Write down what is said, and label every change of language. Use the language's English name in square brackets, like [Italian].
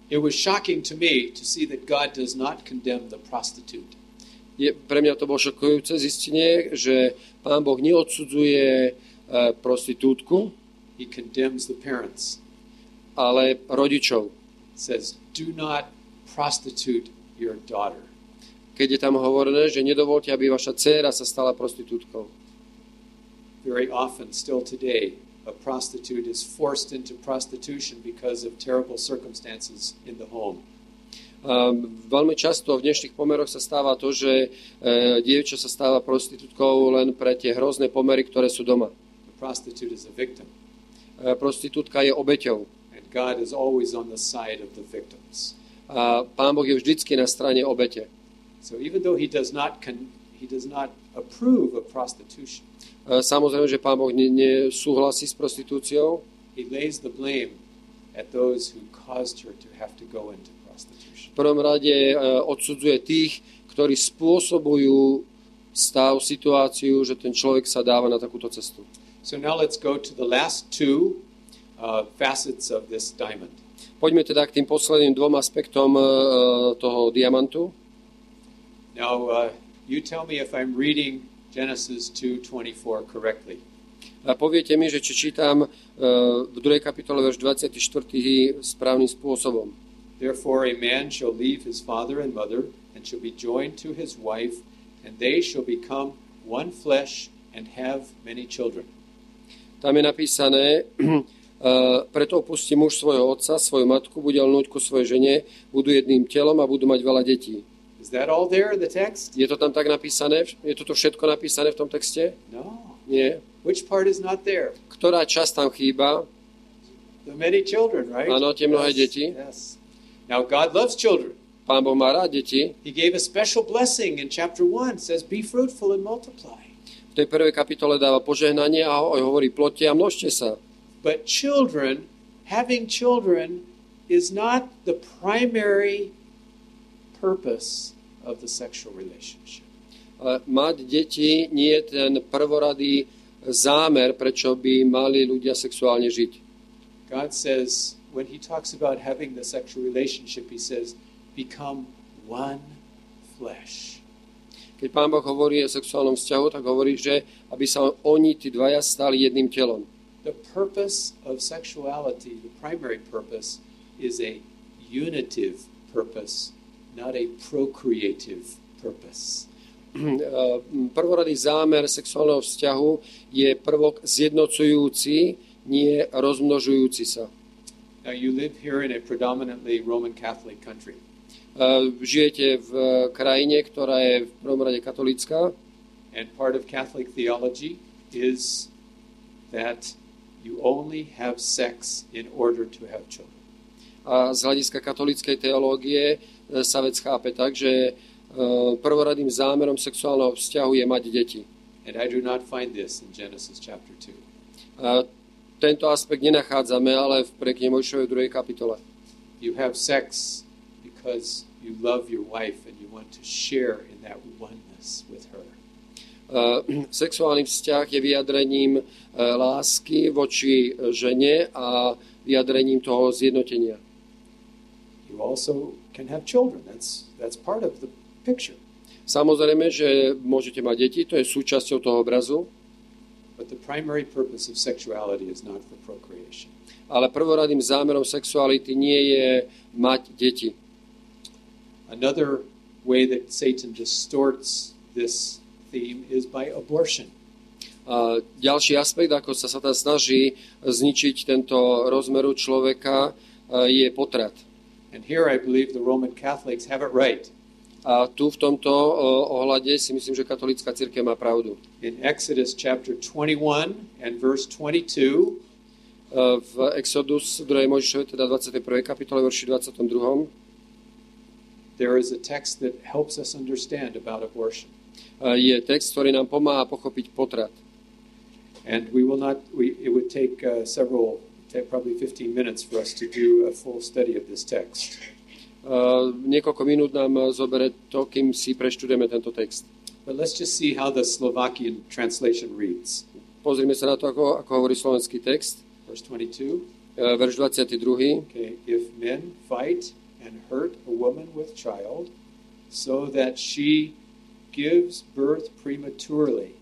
[English] It was shocking to me to see that God does not condemn the prostitute. [Slovak] Je, pre mňa to bolo šokujúce zistenie, že Pán Boh neodsudzuje prostitútku, [English] He condemns the parents. [Slovak] Ale rodičov. [English] It says, do not prostitute your daughter. [Slovak] Keď je tam hovorené, že nedovolte, aby vaša dcéra sa stala prostitútkou. [English] Very often, still today, a prostitute is forced into prostitution because of terrible circumstances in the home. [Slovak] Veľmi často v dnešných pomeroch sa stáva to, že dievča sa stáva prostitútkou len pre tie hrozné pomery, ktoré sú doma. [English] A prostitute is a victim. [Slovak] Prostitútka je obeťou. [English] And God is always on the side of the victims. [Slovak] A Pán Boh je vždycky na strane obete. [English] So even though he does not approve of prostitution. [Slovak] Samozrejme, že Pán Boh nesúhlasí s prostitúciou. [English] He lays the blame at those who caused her to have to go into prostitution. [Slovak] V prvom rade odsudzuje tých, ktorí spôsobujú stav, situáciu, že ten človek sa dáva na takúto cestu. [English] So now let's go to the last two facets of this diamond. [Slovak] Poďme teda k tým posledným dvom aspektom toho diamantu. [English] Now you tell me if I'm reading Genesis 2:24 correctly. [Slovak] A poviete mi, že či čítam v 2. kapitole verš 24. správnym spôsobom. [English] Therefore a man shall leave his father and mother and shall be joined to his wife and they shall become one flesh and have many children. [Slovak] Tam je napísané preto opustí muž svojho otca, svoju matku, bude lnúť ku svojej žene, budú jedným telom a budú mať veľa detí. [English] Is that all there in the text? [Slovak] Je to tam tak napísané? Je to všetko napísané v tom texte? [English] No. [Slovak] Nie. [English] Which part is not there? [Slovak] Ktorá časť tam chýba? [English] The many children, right? [Slovak] Áno, tie mnohé deti. [English] Yes. Now God loves children. [Slovak] Pán Boh má rád deti. [English] He gave a special blessing in chapter 1, says be fruitful and multiply. [Slovak] V tej prvej kapitole dáva požehnanie a hovorí plodte a množte sa. [English] But children, having children is not the primary purpose of the sexual relationship. [Slovak] Mať deti nie je ten prvoradý zámer, prečo by mali ľudia sexuálne žiť. [English] God says when he talks about having the sexual relationship, he says become one flesh. [Slovak] Keď Pán Boh hovorí o sexuálnom vzťahu, tak hovorí, že aby sa oni tí dvaja stali jedným telom. [English] The purpose of sexuality, the primary purpose is a unitive purpose, not a procreative purpose. [Slovak] Prvoradý zámer sexuálneho vzťahu je prvok zjednocujúci, nie rozmnožujúci sa. [English] Now you live here in a predominantly Roman Catholic country. [Slovak] Žijete v krajine, ktorá je v prvom rade katolícka. [English] And part of Catholic theology is that you only have sex in order to have children. [Slovak] A z hľadiska katolíckej teológie sa vec chápe tak, že prvoradým zámerom sexuálneho vzťahu je mať deti. [English] And I do not find this in Genesis chapter 2. [Slovak] Tento aspekt nenachádzame, ale v knihe Mojžišovej 2. kapitole. [English] You have sex because you love your wife and you want to share in that oneness with her. [Slovak] Sexuálny vzťah je vyjadrením lásky voči žene a vyjadrením toho zjednotenia. [English] You also can have children. That's part of the picture. [Slovak] Samozrejme, že môžete mať deti, to je súčasťou toho obrazu. [English] But the primary purpose of sexuality is not for procreation. [Slovak] Ale prvoradým zámerom sexuality nie je mať deti. [English] Another way that Satan distorts this theme is by abortion. [Slovak] A ďalší aspekt, ako sa Satan snaží zničiť tento rozmeru človeka, je potrat. [English] And here I believe the Roman Catholics have it right. [Slovak] A tu v tomto ohľade si myslím, že katolícka cirkev má pravdu. [English] In Exodus chapter 21 and verse 22. [Slovak] V Exodus 2. Mojžišovej, teda 21. kapitole, verši 22. [English] There is a text that helps us understand about abortion. [Slovak] Je text, ktorý nám pomáha pochopiť potrat. [English] And we will not it would take several probably 15 minutes for us to do a full study of this text. [Slovak] Niekoľko minút nám zoberie to, kým si preštudujeme tento text. [English] But let's just see how the Slovakian translation reads. [Slovak] Pozrime sa na to, ako hovorí slovenský text. [English] Verse 22. [Slovak] Verš 22. [English] Okay. If men fight and hurt a woman with child so that she gives birth prematurely.